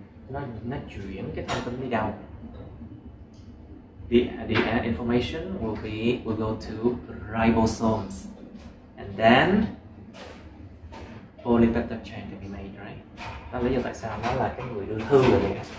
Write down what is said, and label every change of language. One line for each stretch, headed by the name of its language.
Vietnamese: Nó nó chuyển cái thông tin đi đâu?
English: The information will go to ribosomes, and then polypeptide chain can be made, right?
Vietnamese: Đó là lý do tại sao nó là cái người đưa thư rồi.